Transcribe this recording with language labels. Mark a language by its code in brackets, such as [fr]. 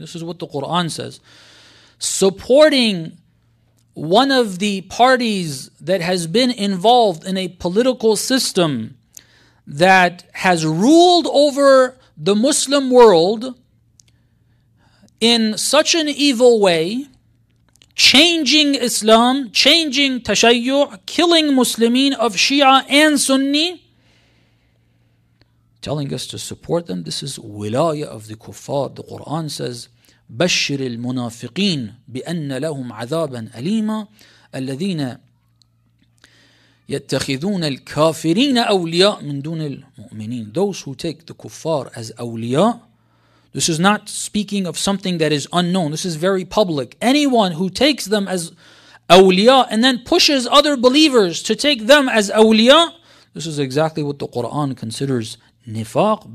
[en] This is what the Quran says. Supporting one of the parties that has been involved in a political system that has ruled over the Muslim world in such an evil way, changing Islam, changing tashayyu', killing Muslimin of Shia and Sunni, telling us to support them. This is wilaya of the kuffar. The Quran says, [ar] بشر المنافقين بأن لهم عذابا أليما الذين يتخذون الكافرين أولياء من دون المؤمنين. [en] Those who take the kuffar as أولياء, this is not speaking of something that is unknown. This is very public. Anyone who takes them as awliya and then pushes other believers to take them as awliya, this is exactly what the Quran considers nifaq.